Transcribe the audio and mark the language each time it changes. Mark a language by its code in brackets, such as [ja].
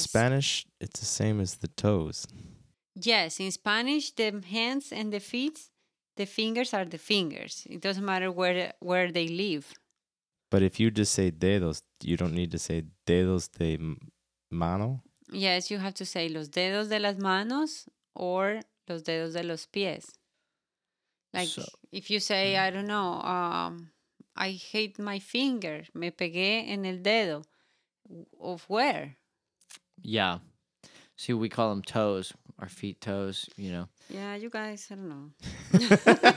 [en] Spanish, it's the same as the toes. Yes. In Spanish, the hands and the feet... The fingers are the fingers. It doesn't matter where they live. But if you just say dedos, you don't need to say [es] dedos de mano? [en] Yes, you have to say [es] los dedos de las manos or los dedos de los pies. [en] Like so, if you say, yeah. I don't know, I hate my finger. [es] Me pegué en el dedo. [en] Of where? Yeah. See, we call them toes. Our feet, toes, you know. Yeah, you guys, I don't know.